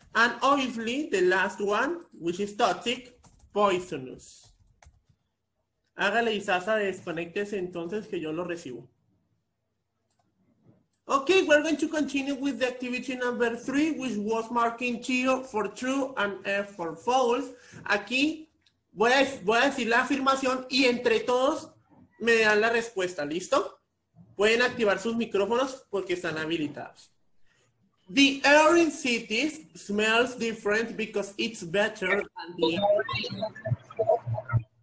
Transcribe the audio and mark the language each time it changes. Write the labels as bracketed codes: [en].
[en] And obviously, the last one, which is toxic, poisonous. [es] Hágale Isasa, desconectese entonces que yo lo recibo. [en] Okay, we're going to continue with the activity number 3, which was marking TO for true and F for false. [es] Aquí voy a decir la afirmación y entre todos me dan la respuesta, ¿listo? Pueden activar sus micrófonos porque están habilitados. [en] The air in cities smells different because it's better than the air.